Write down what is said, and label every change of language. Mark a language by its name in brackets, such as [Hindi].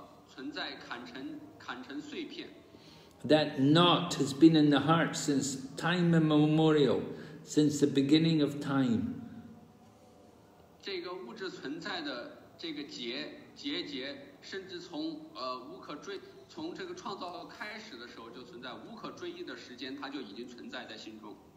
[Chinese] 他能够把物质存在的这个存在砍成碎片。 [English] That knot has been in the heart since time immemorial, since the beginning of time. [Chinese] 这个物质存在的这个结甚至从无可追 从这个创造开始的时候就存在，无可追忆的时间，它就已经存在在心中。